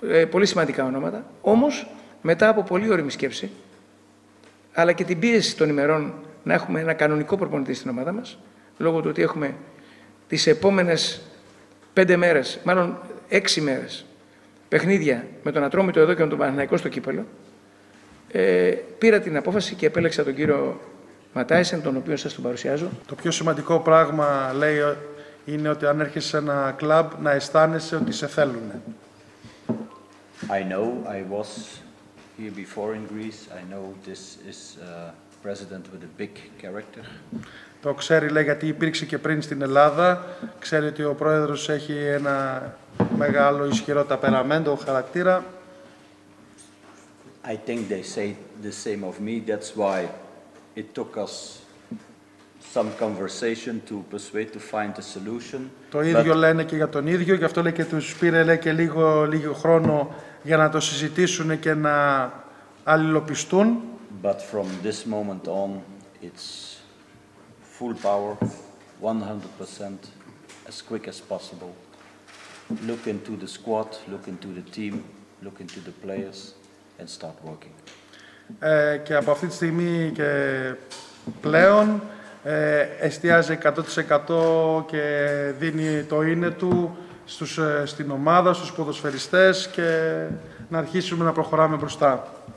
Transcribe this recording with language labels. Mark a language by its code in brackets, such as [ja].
[el] Πολύ σημαντικά ονόματα. Όμως, μετά από πολύ ωριμή σκέψη, αλλά και την πίεση των ημερών να έχουμε ένα κανονικό προπονητή στην ομάδα μας, λόγω του ότι έχουμε τις επόμενες 5 μέρες, μάλλον 6 μέρες, παιχνίδια με τον Ατρόμητο εδώ και με τον Παναθηναϊκό στο κύπελλο, πήρα την απόφαση και επέλεξα τον κύριο Ματάισεν, τον οποίο σας τον παρουσιάζω. Το πιο σημαντικό πράγμα, λέει, είναι ότι αν έρχεσαι σε ένα κλαμπ, να αισθάνεσαι ότι σε θέλουν. [en] I know I was here before in Greece. I know this is a president with a big character. [el] Το ξέρει, λέει, γιατί υπήρξε και πριν στην Ελλάδα. Ξέρει ότι ο πρόεδρος έχει ένα μεγάλο ισχυρό ταπεραμέντο, χαρακτήρα. [en] I think they say the same of me. That's why it took us some conversation to persuade to find a solution. [el] Το ίδιο λένε και για τον ίδιο, γι' αυτό λέει και τους πήρε, λέει, και λίγο χρόνο για να το συζητήσουν και να αλληλοπιστούν. [en] But from this moment on, it's full power, 100%, as quick as possible. look into the squad, look into the team, look into the players and start working. [el] Και από αυτή τη στιγμή και πλέον εστιάζει 100% και δίνει το είναι του στην ομάδα, στους ποδοσφαιριστές και να αρχίσουμε να προχωράμε μπροστά.